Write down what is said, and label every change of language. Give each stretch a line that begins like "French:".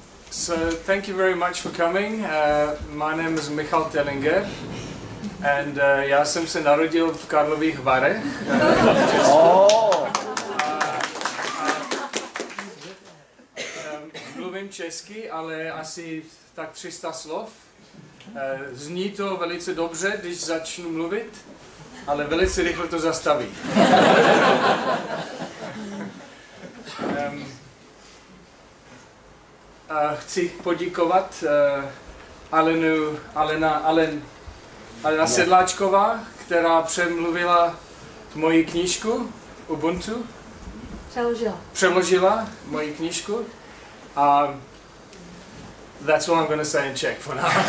English: So thank you very much for coming. My name is Michal Tellinger and
Czech: já jsem se narodil v Karlových Varech. Mluvím česky, ale asi tak 300 slov. Zní to velice dobře, když začnu mluvit, ale velice rychle to zastaví. Chci poděkovat Alena Sedláčková, která přemluvila moji knížku Ubuntu. Přeložila moji knížku.
English: A that's all I'm going to say in Czech for now.